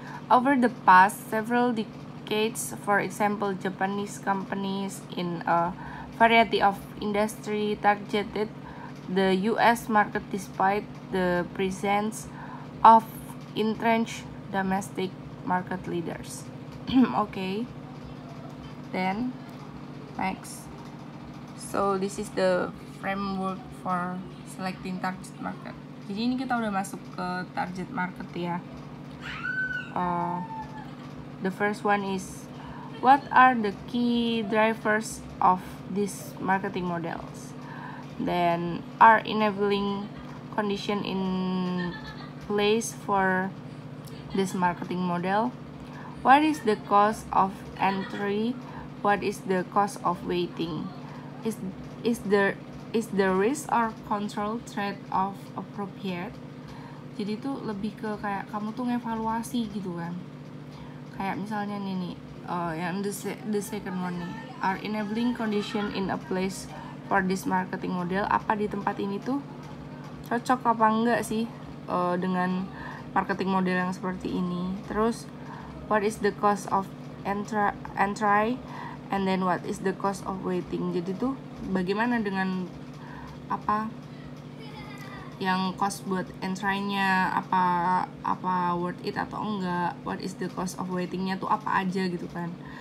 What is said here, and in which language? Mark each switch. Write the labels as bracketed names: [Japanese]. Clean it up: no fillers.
[English] over the past several decades, for example, Japanese companies in a variety of industry targeted the US market despite the presence of entrenched domestic market leaders. Okay, then next. So this is the framework for selecting target market. [Indonesian] Jadi ini kita udah masuk ke target market ya. [English] The first one is, what are the key drivers of these marketing models? Then, are enabling condition in place for this marketing model? What is the cost of entry? What is the cost of waiting? Is there risk or control trade-off appropriate? [Indonesian] Jadi tuh lebih ke kayak kamu tuh ngevaluasi gitu kan. Kayak misalnya nih, yang the second one nih, [English] are enabling condition in a place for this marketing model? [Indonesian] Apa di tempat ini tuh cocok apa enggak sih dengan marketing model yang seperti ini? [English] Terus, what is the cost of entry? And then what is the cost of waiting? [Indonesian] Jadi tuh bagaimana dengan apa yang cost buat entry-nya, apa worth it atau enggak? [English] What is the cost of waiting-nya [Indonesian] tuh apa aja gitu kan?